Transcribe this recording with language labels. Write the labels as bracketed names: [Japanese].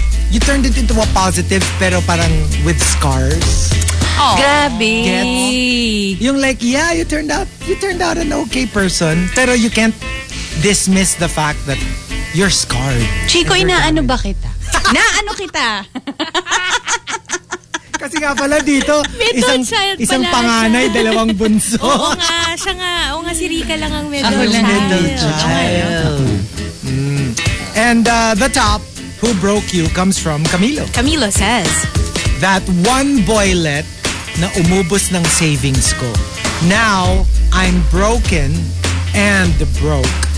[English] you turned it into a positive, [Filipino] pero parang [English] with scars. [Filipino] Aww. Grabe. [English] Get? Yung like, yeah, you turned out an okay person, pero you can't dismiss the fact that you're scarred. [Filipino] Chico, inaano ba kita? Naano kita? Kasi nga pala dito, isang panganay, dalawang bunso. Oo nga, siya nga. Oo nga, si Rica lang ang middle [English] child. [Filipino] Ang [English] middle child. And the top, who broke you, comes from Camilo. Camilo says, that one boylet [Filipino] na umubos ng savings ko. [English] Now, I'm broken and broke.